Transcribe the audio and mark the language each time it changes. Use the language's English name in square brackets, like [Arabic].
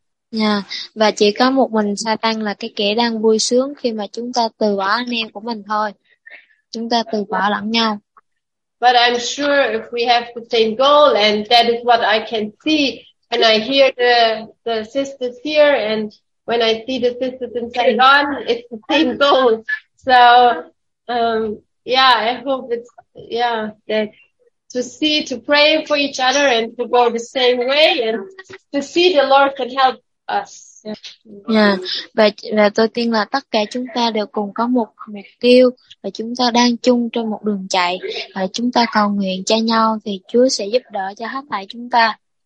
[Vietnamese] Yeah, và chỉ có một mình Satan là cái kẻ đang vui sướng khi mà chúng ta từ bỏ anh em của mình thôi. Chúng ta từ bỏ lẫn nhau. [English] But I'm sure if we have the same goal, and that is what I can see, and I hear the sisters here, and when I see the sisters in Saigon, it's the same goal. So, I hope that to see, to pray for each other and to go the same way, and to see the Lord can help us. [Vietnamese] Và tôi tin là tất cả chúng ta đều cùng có một mục tiêu, và chúng ta đang chung trên một đường chạy, và chúng ta cầu nguyện cho nhau thì Chúa sẽ giúp đỡ cho hết thảy chúng ta.